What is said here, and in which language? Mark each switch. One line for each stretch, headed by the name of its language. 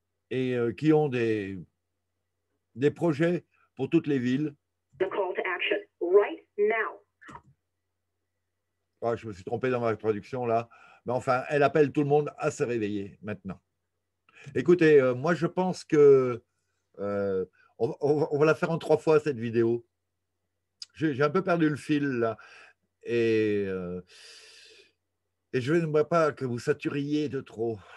French: Et qui ont des projets pour toutes les villes.
English: The call to action, right now.
French: Oh, je me suis trompé dans ma traduction là. Mais enfin, elle appelle tout le monde à se réveiller maintenant. Écoutez, moi je pense que on va la faire en trois fois cette vidéo. J'ai un peu perdu le fil là. Et je ne voudrais pas que vous saturiez de trop.